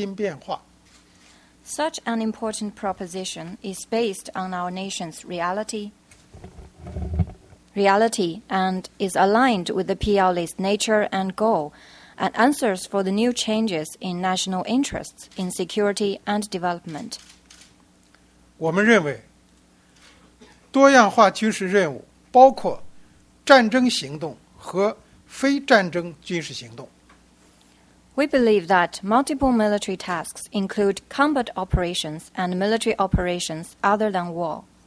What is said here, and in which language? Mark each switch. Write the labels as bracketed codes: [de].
[zh] 符合我军的性质和宗旨，适应了国家安全和发展利益的新变化。 [en] Such an important proposition is based on our nation's reality and is aligned with the PLA's nature and goal and answers for the new changes in national interests in security and development. [zh] 我们认为，多样化军事任务包括 战争行动和非战争军事行动。 [en] We believe that multiple military tasks include combat operations and military operations other than war.